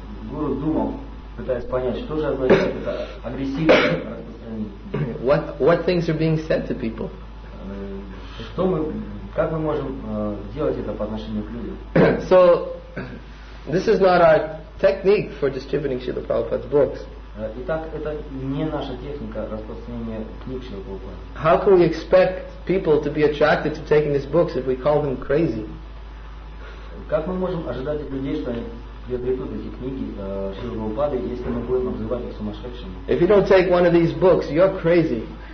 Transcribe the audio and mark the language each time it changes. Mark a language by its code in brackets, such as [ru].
[ru] Гуру думал, пытаясь понять, что же означает это агрессивное распространение. [en] What things are being said to people? [ru] Что мы, как мы можем делать это по отношению к людям? [en] So this is not our technique for distributing Srila Prabhupada's books. [ru] Итак, это не наша техника распространения книг Шрилы Прабхупады. [en] How can we expect people to be attracted to taking these books if we call them crazy? [ru] Как мы можем ожидать от людей, что они приобретут эти книги Шрилы Прабхупады, если мы будем обзывать их сумасшедшими? [en] If you don't take one of these books, you're crazy.